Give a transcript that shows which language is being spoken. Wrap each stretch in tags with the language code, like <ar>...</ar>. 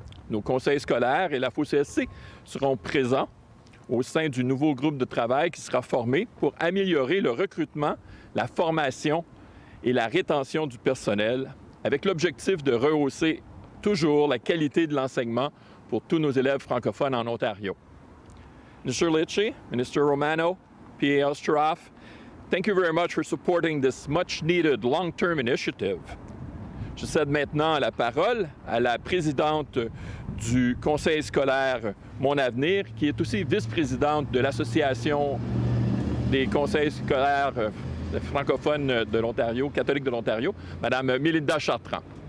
<fr>Nos conseils scolaires et l'AFO-CSC seront présents au sein du nouveau groupe de travail qui sera formé pour améliorer le recrutement, la formation et la rétention du personnel, avec l'objectif de rehausser toujours la qualité de l'enseignement pour tous nos élèves francophones en Ontario.</fr> <en>Mr. Lecce, Mr. Romano, P.A. Ostroff, thank you very much for supporting this much-needed long-term initiative.</en> <fr>Je cède maintenant la parole à la présidente du conseil scolaire Mon Avenir, qui est aussi vice-présidente de l'Association des conseils scolaires francophones de l'Ontario, catholiques de l'Ontario, Mme Mélinda Chartrand.</fr>